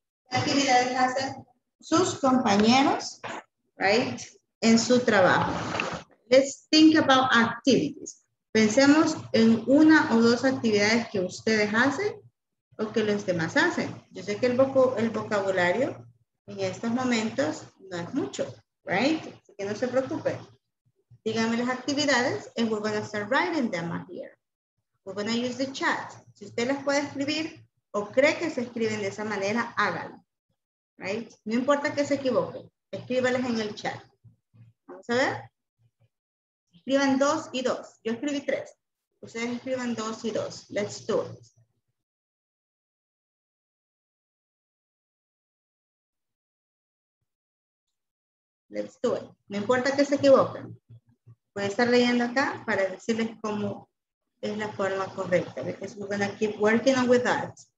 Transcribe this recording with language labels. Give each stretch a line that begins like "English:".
Spanish: ¿Qué actividades hacen sus compañeros, right, en su trabajo?
English: Let's think about activities.
Spanish: Pensemos en una o dos actividades que ustedes hacen o que los demás hacen. Yo sé que el vocabulario en estos momentos no es mucho, right? Así que no se preocupen. Díganme las actividades
English: and we're going to start writing them up here. We're going to use the chat.
Spanish: Si usted las puede escribir o cree que se escriben de esa manera, háganlo. Right? No importa que se equivoque, escríbalas en el chat. Vamos a ver. Escriban dos y dos. Yo escribí tres. Ustedes escriban dos y dos.
English: Let's do it. Let's do it.
Spanish: No importa que se equivoquen. Voy a estar leyendo acá para decirles cómo es la forma correcta.
English: Because we're going to keep working on with that.